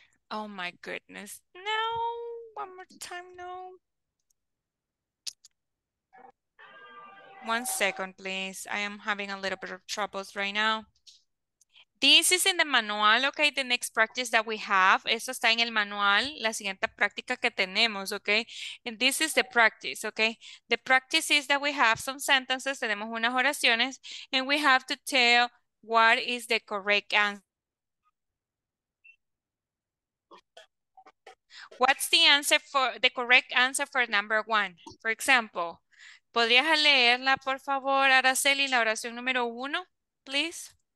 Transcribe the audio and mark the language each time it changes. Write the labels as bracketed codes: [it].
[en] Oh my goodness. No, one more time, no. One second, please. I am having a little bit of troubles right now. This is in the manual, okay, the next practice that we have. [es] Eso está en el manual, la siguiente práctica que tenemos, okay? [en] And this is the practice, okay? The practice is that we have some sentences, [es] tenemos unas oraciones, [en] and we have to tell what is the correct answer. What's the answer for, the correct answer for number one? For example, [es] ¿podrías leerla, por favor, Araceli, la oración número uno, [en] please?